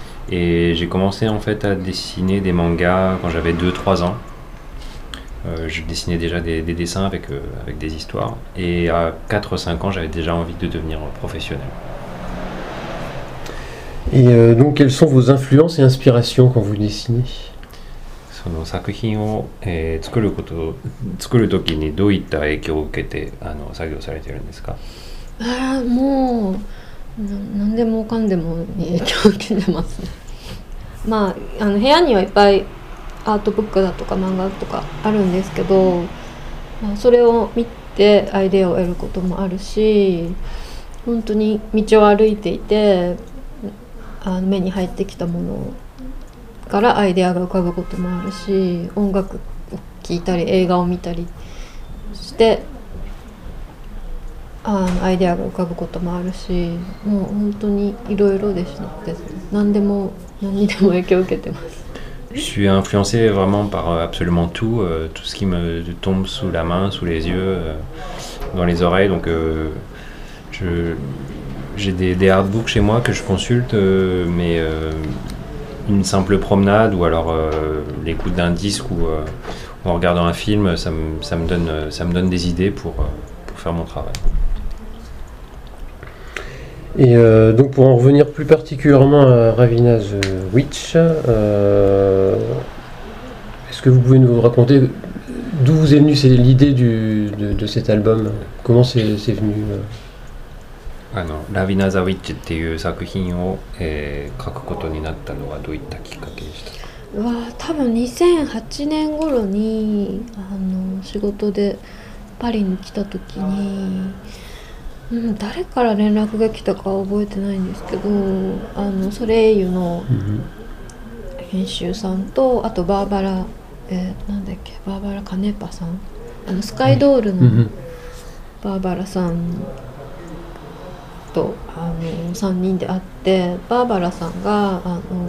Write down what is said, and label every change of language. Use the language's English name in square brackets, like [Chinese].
[French] Et j'ai commencé en fait à dessiner des mangas quand j'avais 2-3 ans. Je dessinais déjà des dessins avec des histoires. Et à 4-5 ans, j'avais déjà envie de devenir professionnel. Et donc, quelles sont vos influences et inspirations quand vous dessinez ? [Japanese] その作品を、作ること作るときにどういった影響を受けて作業されているんですか。ああ、もう何でもかんでもに影響を受けてますね。まあ、部屋にはいっぱいアートブックだとか漫画とかあるんですけど、まあ、それを見てアイデアを得ることもあるし、本当に道を歩いていて目に入ってきたものをからアイデアが浮かぶこともあるし、音楽を聞いたり映画を見たりしてアイデアが浮かぶこともあるし、もう本当にいろいろですね。何にでも影響を受けてます。 [French] Je suis influencé vraiment par absolument tout, tout ce qui me tombe sous la main, sous les yeux, dans les oreilles. Donc j'ai des artbooks chez moi que je consulte, mais une simple promenade ou alors l'écoute d'un disque ou en regardant un film, ça me donne des idées pour faire mon travail. Et donc pour en revenir plus particulièrement à Ravina's Witch, est-ce que vous pouvez nous raconter d'où vous est venue l'idée de cet album ? Comment c'est venu [Japanese] ラビナザウィッチっていう作品を、書くことになったのはどういったきっかけでしたか。わ、多分2008年頃に仕事でパリに来た時に、誰から連絡が来たかは覚えてないんですけど、ソレイユの編集さんと、あとバーバラ、なんだっけ、バーバラカネパさん、スカイドールのバーバラさん、3人で会って、バーバラさんが